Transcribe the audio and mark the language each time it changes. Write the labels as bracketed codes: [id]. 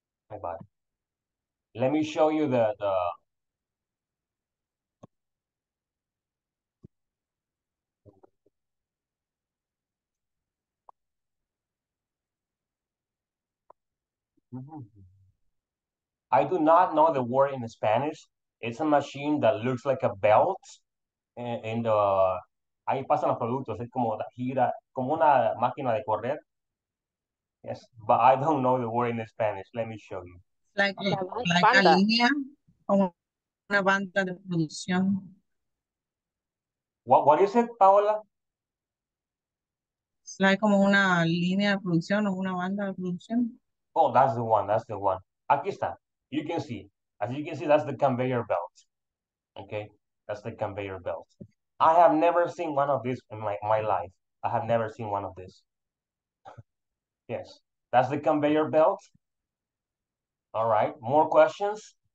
[en] My bad. Let me show you the I do not know the word in Spanish. It's a machine that looks like a belt. [es] And ahí pasan los productos. Es como gira, como una máquina de correr. [en] Yes, but I don't know the word in Spanish. Let me show you. [es] Like a línea, como una banda de producción. [en] What is it, Paola? [es] Like como una línea de producción o una banda de producción. [en] Oh, that's the one. [es] Aquí está. [en] You can see. As you can see, that's the conveyor belt. Okay? That's the conveyor belt. I have never seen one of these in my life. I have never seen one of these. Yes. That's the conveyor belt. All right. More questions?